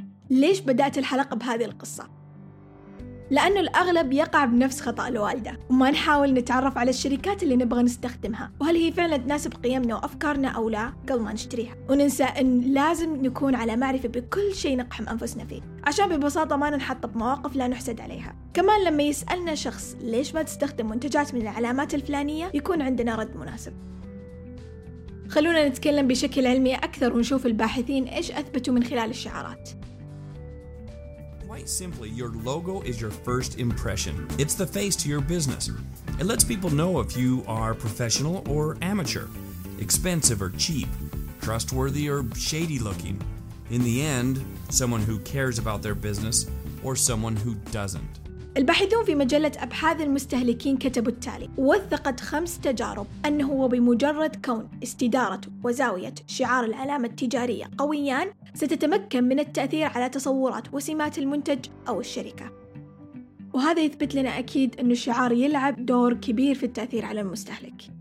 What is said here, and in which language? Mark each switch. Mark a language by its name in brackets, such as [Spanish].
[Arabic] ليش بدأت الحلقة بهذه القصة؟ لأنه الأغلب يقع بنفس خطأ الوالدة، وما نحاول نتعرف على الشركات اللي نبغى نستخدمها وهل هي فعلا تناسب قيمنا وأفكارنا أو لا قبل ما نشتريها، وننسى أن لازم نكون على معرفة بكل شيء نقحم أنفسنا فيه عشان ببساطة ما نحط بمواقف لا نحسد عليها. كمان لما يسألنا شخص ليش ما تستخدم منتجات من العلامات الفلانية يكون عندنا رد مناسب. خلونا نتكلم بشكل علمي أكثر ونشوف الباحثين إيش أثبتوا من خلال الشعارات. [English] Quite simply, your logo is your first impression. It's the face to your business. It lets people know if you are professional or amateur, expensive or cheap, trustworthy or shady looking. In the end, someone who cares about their business or someone who doesn't. [Arabic] الباحثون في مجلة أبحاث المستهلكين كتبوا التالي: وثقت 5 تجارب أنه بمجرد كون استدارة وزاوية شعار العلامة التجارية قويان ستتمكن من التأثير على تصورات وسمات المنتج أو الشركة. وهذا يثبت لنا أكيد أن الشعار يلعب دور كبير في التأثير على المستهلك.